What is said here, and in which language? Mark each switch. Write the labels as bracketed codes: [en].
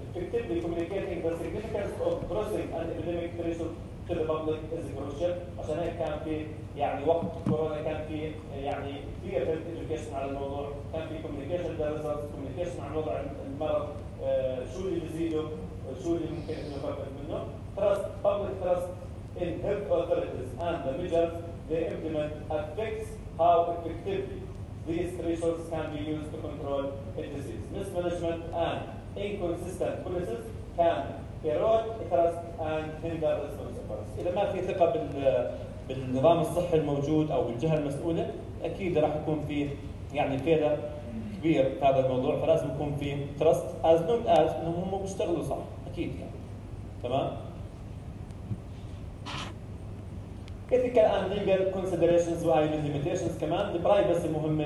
[en] Effectively communicating the significance of crossing an epidemic threshold to the public is crucial. [ar] عشان هيك كان في يعني وقت كورونا كان في يعني كثير في education على الموضوع. كان في communication درسات communication عن وضع المرض شو اللي بزيده شو اللي ممكن نفكر منه. [en] Trust public trust in health authorities and the measures they implement affects how effectively these thresholds can be used to control a disease. Mismanagement and inconsistent policies can erode trust and hinder responsibility. [ar] إذا ما في ثقة بالنظام الصحي الموجود أو بالجهة المسؤولة أكيد راح يكون في يعني فايدة كبير في هذا الموضوع، فلازم يكون في [en] trust as long as [ar] إنهم هم بيشتغلوا صح أكيد يعني. تمام؟ [en] Ethical and legal considerations وهي limitations كمان. The privacy [ar] مهمة.